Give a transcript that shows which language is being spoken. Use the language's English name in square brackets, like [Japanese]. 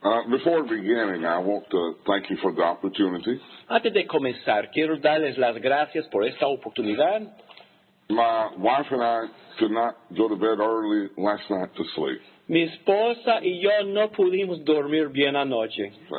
[English] Before beginning, I want to thank you for the opportunity. [Spanish] Antes de comenzar, quiero darles las gracias por esta oportunidad. [English] My wife and I could not go to bed early last night to sleep. [Spanish] Mi esposa y yo no pudimos dormir bien anoche.